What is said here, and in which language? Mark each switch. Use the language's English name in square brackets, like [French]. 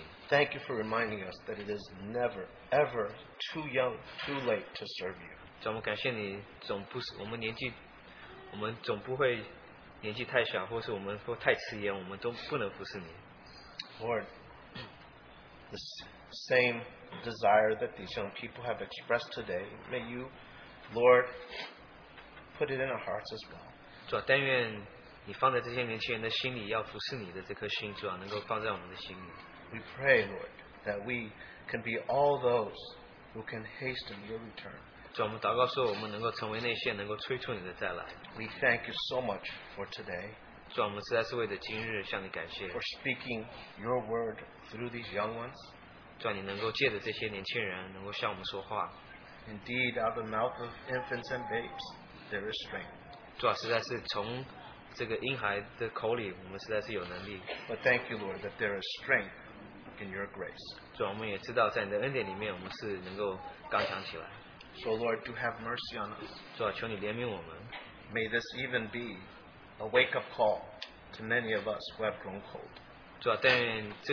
[English] Thank you for reminding us that it is never, ever too young, too late to serve you. [Chinese] 我们感谢你，我们不会年纪太小，或是我们太迟延，我们都不能服侍你。 [English] Lord, the same desire that these young people have expressed today, may you, Lord, put it in our hearts as well. [Chinese] 主啊，但愿 你放在这些年轻人的心里，要服侍你的这颗心，主啊，能够放在我们的心里。 [English] We pray, Lord, that we can be all those who can hasten your return. [Chinese] 主啊，我们祷告说，我们能够成为那些能够催促你的再来。 [English] We thank you so much for today. [Chinese] 主啊，我们实在是为了今日向你感谢。 [English] For speaking your word through these young ones. [Chinese] 主啊，你能够借着这些年轻人，能够向我们说话。 [English] Indeed, out of the mouth of infants and babes, there is strength. [Chinese] 主啊，实在是从 这个婴孩的口里, [English] but thank you, Lord, that there is strength in your grace. [Chinese] 主啊，我们也知道在你的恩典里面，我们是能够刚强起来。 [English] So, Lord, do have mercy on us. [Chinese] 主啊，求你怜悯我们。 [English] May this even be a wake-up call to many of us who have grown cold.